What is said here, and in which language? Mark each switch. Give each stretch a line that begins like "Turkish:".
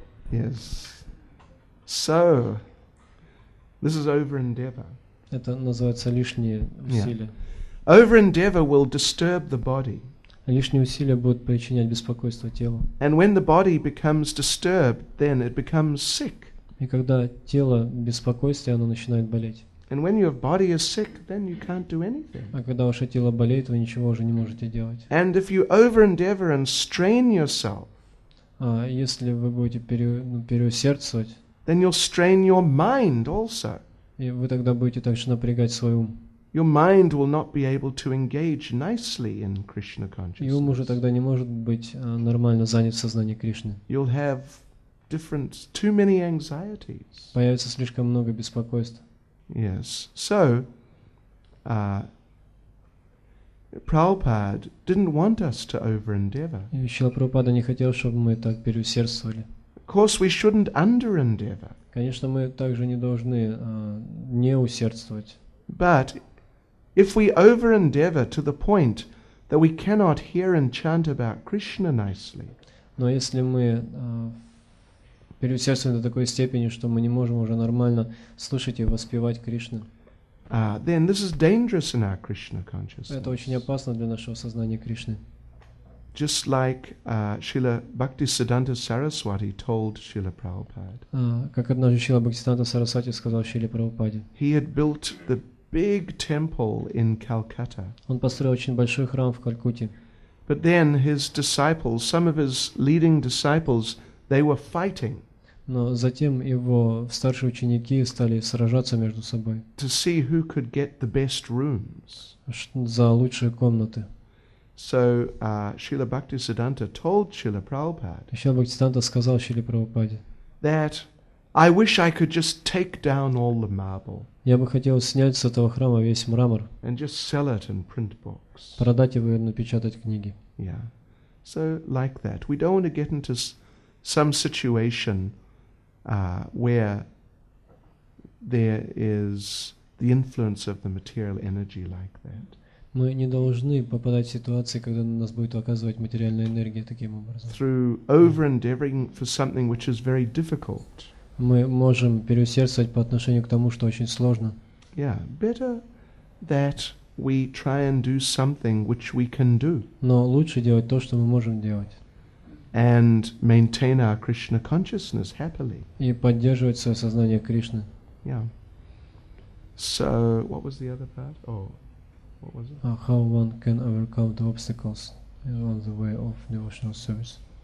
English: Yes. So this is over endeavor.
Russian: Это называется лишние усилия.
English: Yeah. Over endeavor will disturb the body.
Russian: Лишние усилия будут причинять беспокойство телу.
English: And when the body becomes disturbed, then it becomes sick.
Russian: И когда тело беспокоится, оно начинает болеть.
English: And when your body is sick, then you can't do anything.
Russian: А когда ваше тело болеет, вы ничего уже не можете делать.
English: And if you over endeavor and strain yourself,
Russian: если вы будете переусердствовать,
English: then you'll strain your mind also.
Russian: И вы тогда будете также напрягать свой ум.
English: Your mind will not be able to engage nicely in Krishna consciousness.
Russian: И ум уже тогда не может быть нормально занят в сознании Кришны.
English: You'll have different, too many anxieties.
Russian: Появится слишком много беспокойств.
English: Yes. So, Prabhupada didn't want us to over-endeavor.
Russian: И Шрила Прабхупада не хотел, чтобы мы так переусердствовали.
English: Of course, we shouldn't under-endeavor.
Russian: Конечно, мы также не должны не усердствовать.
English: But if we over-endeavor to the point that we cannot hear and chant about Krishna nicely.
Russian: Но если мы переусердствуем до такой степени, что мы не можем уже нормально слышать и воспевать Кришну.
English: Then this is dangerous in our Krishna consciousness.
Russian: Это очень опасно для нашего сознания Кришны.
English: Just like Srila Bhaktisiddhanta Saraswati told Srila Prabhupada.
Russian: Как однажды Шрила Бхактисиддханта Сарасвати сказал Шриле Прабхупаде.
English: He had built the big temple in Calcutta.
Russian: Он построил очень большой храм в Калькутте.
English: But then his disciples, some of his leading disciples, they were fighting.
Russian: Но затем его старшие ученики стали сражаться между собой.
English: To see who could get the best rooms.
Russian: За лучшие комнаты.
English: So Srila Bhaktisiddhanta told Srila Prabhupada.
Russian: Шрила Бхактисиддханта сказал Шриле Прабхупаде.
English: That I wish I could just take down all the marble.
Russian: Я бы хотел снять с этого храма весь мрамор.
English: And just sell it in print books.
Russian: Продать его и напечатать книги.
English: Yeah. So like that. We don't want to get into some situation where there is the influence of the material energy like that.
Russian: Мы не должны попадать в ситуации, когда на нас будет оказывать материальная энергия таким образом.
English: Through over-endeavoring for something which is very difficult.
Russian: Мы можем переусердствовать по отношению к тому, что очень сложно.
English: Yeah, better that we try and do something which we can do.
Russian: Но лучше делать то, что мы можем делать.
English: And maintain our Krishna consciousness happily.
Russian: И поддерживать свое сознание Кришны.
English: Yeah. So, what was the other part? Oh. What was it? How one can overcome the obstacles on the way of devotional service.